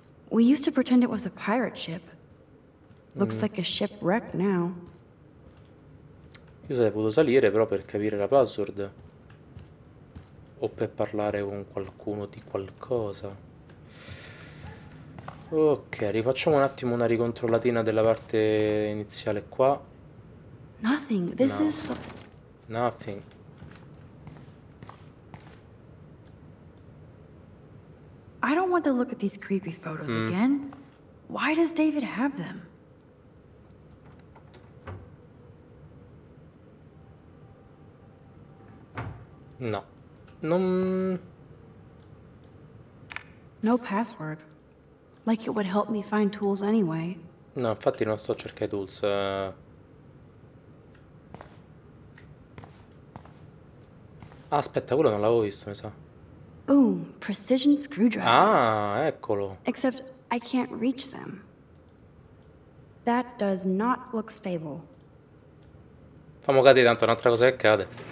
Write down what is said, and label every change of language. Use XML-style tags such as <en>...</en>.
<en>We used to pretend it was a pirate ship. Looks like a shipwreck now.</en> <it>Io sarei potuto salire però per capire la password. O per parlare con qualcuno di qualcosa. Ok, rifacciamo un attimo una ricontrollatina della parte iniziale qua.</it> <en>Nothing. This is nothing. I don't want to look at these creepy photos again. Why does David have them?</en> <it>No. Non...</it> <en>no password. Like it would help me find tools anyway.</en> <it>No, infatti non sto a cercare tools. Ah, aspetta, quello non l'avevo visto, mi sa.</it> <en>Boom, precision screwdrivers.</en> <it>Ah, eccolo.</it> <en>Except I can't reach them. That does not look stable.</en> <it>Fammo cadere, tanto un'altra cosa che cade.</it>